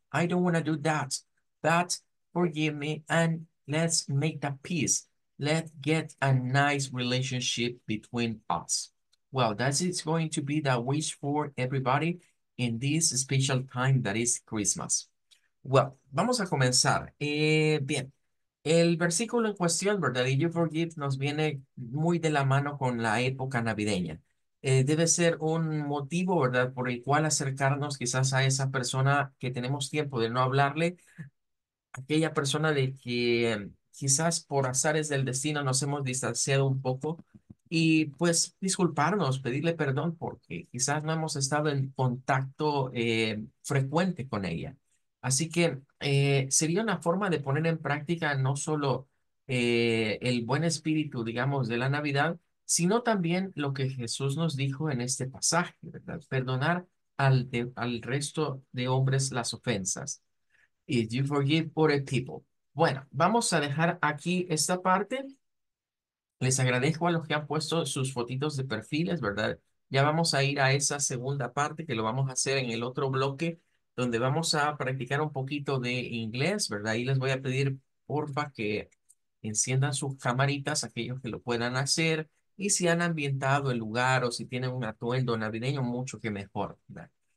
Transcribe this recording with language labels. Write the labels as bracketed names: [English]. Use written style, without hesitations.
[English] I don't want to do that, but forgive me and let's make the peace. Let's get a nice relationship between us." Well, that is going to be the wish for everybody in this special time that is Christmas. [Spanish] Well, vamos a comenzar. Bien, el versículo en cuestión, ¿verdad? [English] If you forgive, [Spanish] nos viene muy de la mano con la época navideña. Debe ser un motivo, ¿verdad?, por el cual acercarnos quizás a esa persona que tenemos tiempo de no hablarle, aquella persona de que quizás por azares del destino nos hemos distanciado un poco. Y pues disculparnos, pedirle perdón porque quizás no hemos estado en contacto frecuente con ella. Así que sería una forma de poner en práctica no solo el buen espíritu, digamos, de la Navidad, sino también lo que Jesús nos dijo en este pasaje, ¿verdad? Perdonar al resto de hombres las ofensas. [English] If you forgive other people. [Spanish] Bueno, vamos a dejar aquí esta parte. Les agradezco a los que han puesto sus fotitos de perfiles, ¿verdad? Ya vamos a ir a esa segunda parte que lo vamos a hacer en el otro bloque, donde vamos a practicar un poquito de inglés, ¿verdad? Y les voy a pedir, porfa, que enciendan sus camaritas, aquellos que lo puedan hacer, y si han ambientado el lugar o si tienen un atuendo navideño, mucho que mejor, ¿verdad?